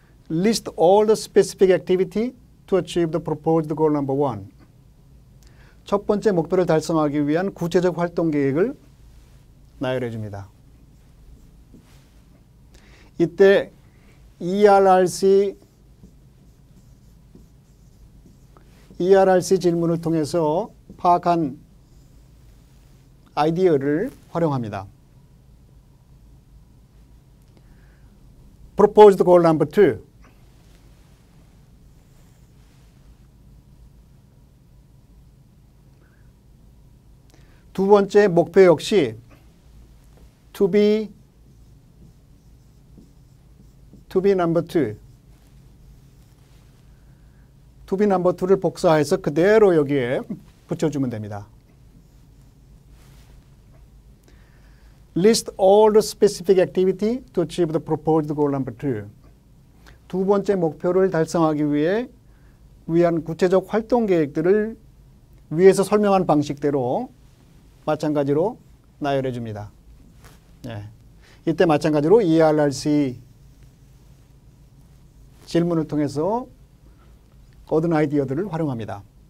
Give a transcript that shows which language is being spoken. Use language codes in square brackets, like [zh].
[en] List all the specific activity to achieve the proposed goal number one. [ko] 첫 번째 목표를 달성하기 위한 구체적 활동 계획을 나열해 줍니다. 이때 ERRC 질문을 통해서 파악한 아이디어를 활용합니다. [en] Proposed goal number two. [ko] 두 번째 목표 역시 [en] to be number two. To be number two [ko] 를 복사해서 그대로 여기에 붙여주면 됩니다. [en] List all the specific activity to achieve the proposed goal number two. [ko] 두 번째 목표를 달성하기 위해 위한 구체적 활동 계획들을 위에서 설명한 방식대로 마찬가지로 나열해 줍니다. 예. 이때 마찬가지로 ERRC 질문을 통해서 얻은 아이디어들을 활용합니다.